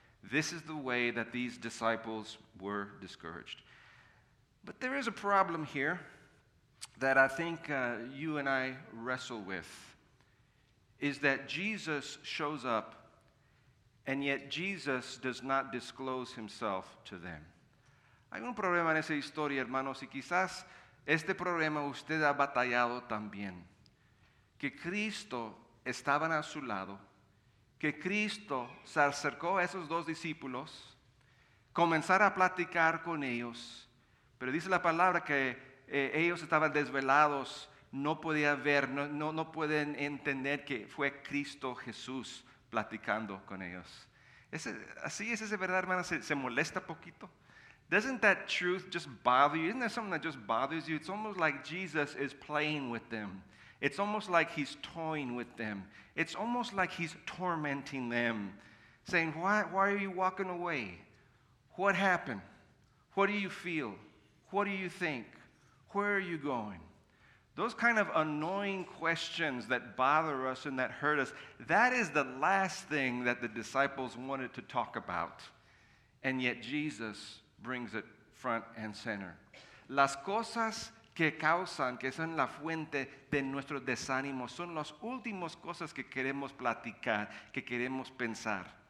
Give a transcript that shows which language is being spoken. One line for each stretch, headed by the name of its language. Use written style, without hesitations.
English: This is the way that these disciples were discouraged. But there is a problem here that I think you and I wrestle with, is that Jesus shows up, and yet Jesus does not disclose himself to them.
Spanish: Hay un problema en esa historia, hermanos, y quizás este problema usted ha batallado también. Que Cristo estaba a su lado, que Cristo se acercó a esos dos discípulos, comenzara a platicar con ellos, pero dice la palabra que ellos estaban desvelados, no podían ver, no pueden entender que fue Cristo Jesús platicando con ellos. ¿Es verdad, hermana? ¿Se molesta poquito?
English: Doesn't that truth just bother you? Isn't there something that just bothers you? It's almost like Jesus is playing with them. It's almost like he's toying with them. It's almost like he's tormenting them, saying, why are you walking away? What happened? What do you feel? What do you think? Where are you going? Those kind of annoying questions that bother us and that hurt us, that is the last thing that the disciples wanted to talk about. And yet Jesus brings it front and center.
Spanish: Las cosas que causan, que son la fuente de nuestro desánimo, son las últimas cosas que queremos platicar, que queremos pensar.